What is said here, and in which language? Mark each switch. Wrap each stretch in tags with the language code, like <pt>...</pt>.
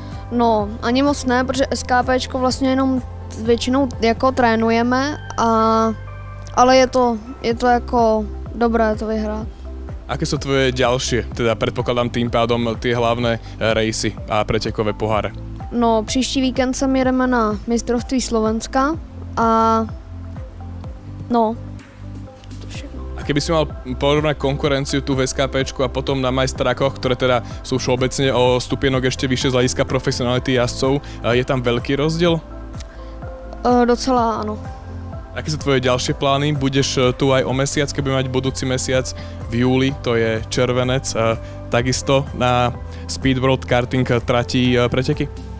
<cs>No, ani moc ne, pretože SKPčko vlastne jenom väčšinou jako trénujeme a ale je to ako dobré to vyhrať.</cs> <sk>Aké sú tvoje ďalšie, teda predpokladám tým pádom, tie hlavné rejsy a pretekové poháre?</sk> <cs>No, příští víkend sa jedeme na mistrovství Slovenska a no, to všetko.</cs> <sk>A keby si mal porovnať konkurenciu tu v SKPčku a potom na majstrákoch, ktoré teda sú všeobecne o stupienok ešte vyššie z hľadiska profesionality jazdcov, je tam veľký rozdiel?</sk> <cs>Docela áno.</cs> <sk>Aké sú tvoje ďalšie plány? Budeš tu aj o mesiac, keby mať budúci mesiac v júli, to je červenec, takisto na Speed World Karting trati preteky?</sk>